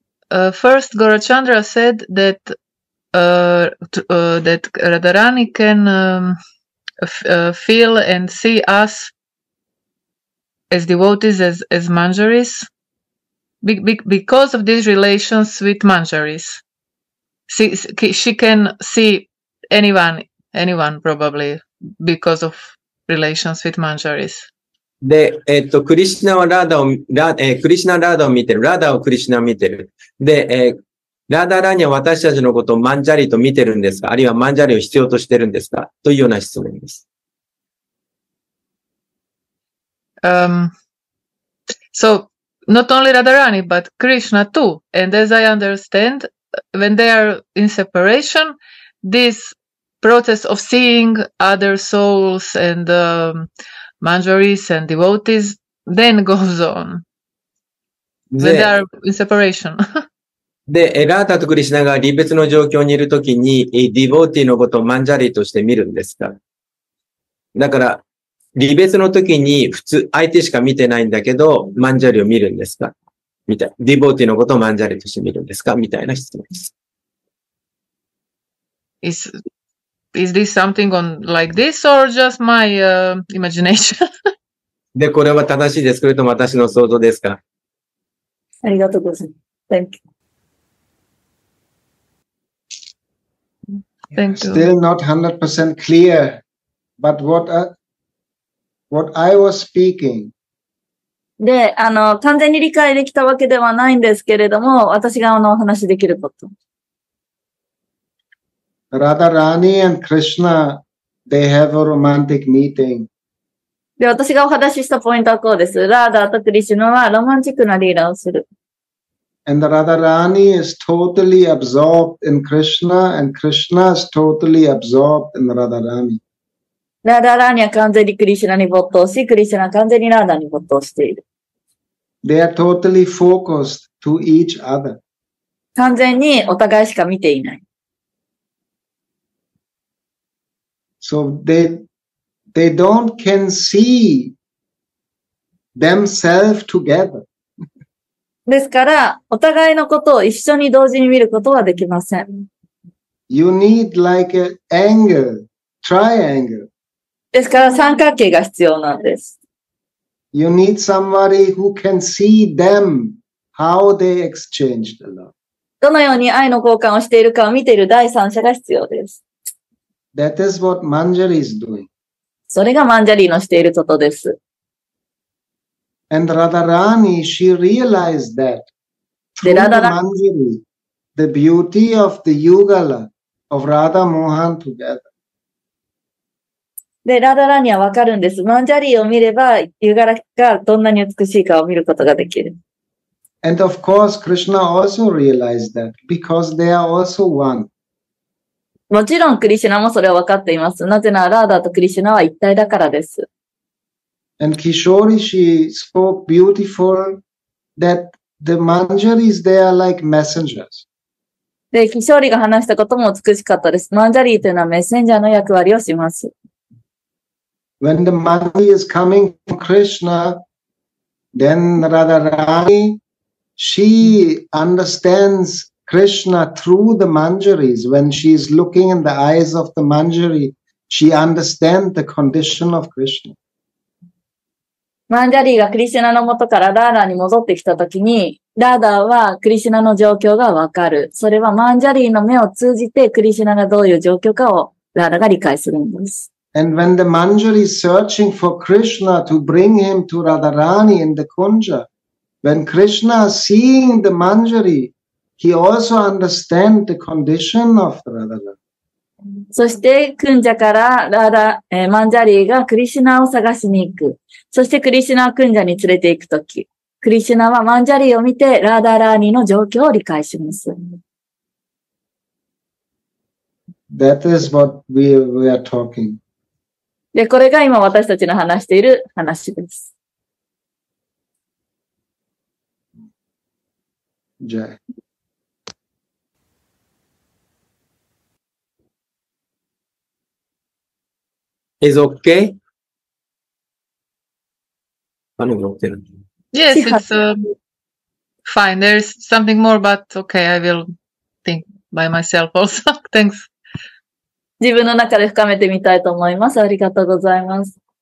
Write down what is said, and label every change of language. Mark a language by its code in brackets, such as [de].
[en] First, Gaurachandra said that, that Radharani can,feel and see us as devotees, as Manjaris, because of these relations with Manjaris. She can see anyone probably, because of relations with Manjaris. [ja] で、クリシュナはラダを、クリシュナラダを見てる。ラダをクリシュナ見てる。で、ラダラニは私たちのことをマンジャリと見てるんですか、あるいはマンジャリを必要としてるんですか、というような質問です。 [en] So, not only Radharani, but Krishna too. And as I understand, when they are in separation, this process of seeing other souls and manjaris and devotees then goes on. When they are in separation. [ja] で、ラータとクリシナが離別の状況にいるときに、ディボーティのことをマンジャリとして見るんですか。だから、離別のときに普通、相手しか見てないんだけど、マンジャリを見るんですか。みたい。ディボーティのことをマンジャリとして見るんですか、みたいな質問です。 [en] Is this something on like this or just my imagination? [ja] で、これは正しいです。それとも私の想像ですか。ありがとうございます。 [en] Thank you. Thank you. Still not 100% clear, but what, what I was speaking. [ja] で、完全に理解できたわけではないんですけれども、私がお話しできること。 [en] Radharani and Krishna, they have a romantic meeting. [ja] で、私がお話ししたポイントはこうです。ラーダとクリシュナはロマンチックなリーラーをする。 [en] And Radharani is totally absorbed in Krishna, and Krishna is totally absorbed in Radharani. [ja] ラダラーニは完全にクリシュナに没頭し、クリシュナは完全にラーダに没頭している。 [en] They are totally focused to each other. [ja] 完全にお互いしか見ていない。 [en] So they don't can see themselves together. [ja] ですから、お互いのことを一緒に同時に見ることはできません。 [en] You need like an angle, triangle. [ja] ですから三角形が必要なんです。 [en] You need somebody who can see them how they exchanged the love. [ja] どのように愛の交換をしているかを見ている第三者が必要です。 [en] That is what Manjari is doing. [ja] それがマンジャリーのしていることです。 [en] And Radharani, she realized that through Manjari, the beauty of the Yugala of Radha Mohan together. [ja] で、ラダラニはわかるんです。マンジャリーを見れば、ユガラがどんなに美しいかを見ることができる。 [en] And of course, Krishna also realized that because they are also one. [ja] もちろん、クリシュナもそれをわかっています。なぜなら、ラダとクリシュナは一体だからです。 [en] And Kishori, she spoke beautiful that the Manjaris, they are like messengers. [ja] で、キショーリが話したことも美しかったです。マンジャリーというのはメッセンジャーの役割をします。 [en] When the money is coming from Krishna, then Radharani, she understands Krishna through the manjaris. When she is looking in the eyes of the manjari, she understands the condition of Krishna. [ja] Manjari がクリシュナの元からラーダに戻ってきたときに、ラーダはクリシュナの状況がわかる。それはマンジャリの目を通じてクリシュナがどういう状況かをラーダが理解するんです。 [en] And when the Manjari is searching for Krishna to bring him to Radharani in the Kunja, when Krishna is seeing the Manjari, he also understands the condition of Radharani. [ja] そして、クンジャからマンジャリがクリシュナを探しに行く。そして、クリシュナをクンジャに連れて行くとき、クリシュナはマンジャリを見て、ラダラーニの状況を理解します。 [en] That is what we are talking. [ja] で、これが今私たちの話している話です。じゃあ。 [en] Is okay? [ja] 何が起きてるの? [en] Yes, it's fine. There's something more, but okay, I will think by myself also. Thanks. [ja] 自分の中で深めてみたいと思います。ありがとうございます。